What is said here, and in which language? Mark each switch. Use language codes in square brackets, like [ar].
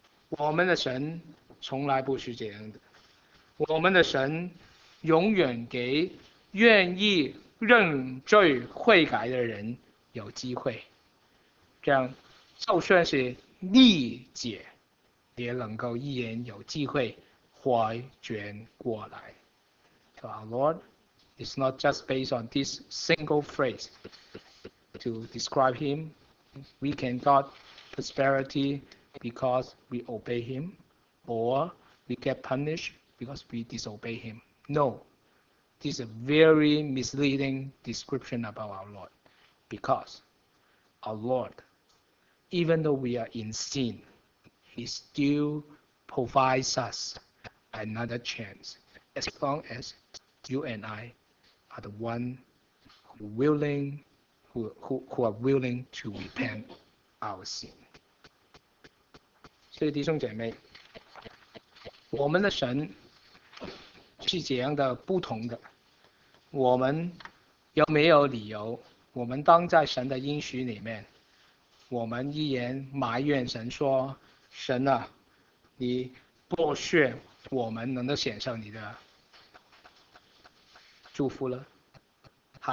[zh] 我们的神从来不是这样的，我们的神永远给愿意认罪悔改的人有机会。这样就算是逆解，也能够一言有机会回转过来。 [en] To our Lord, it's not just based on this single phrase to describe him. We can got prosperity because we obey him, or we get punished because we disobey him. No, this is a very misleading description about our Lord, because our Lord, even though we are in sin, he still provides us another chance, as long as you and I are the one who are willing to repent our sin. [zh] 所以弟兄姐妹，我们的神是怎样的不同的？我们有没有理由？我们当在神的应许里面，我们依然埋怨神说：“神啊，你剥削我们能够享受你的祝福了？”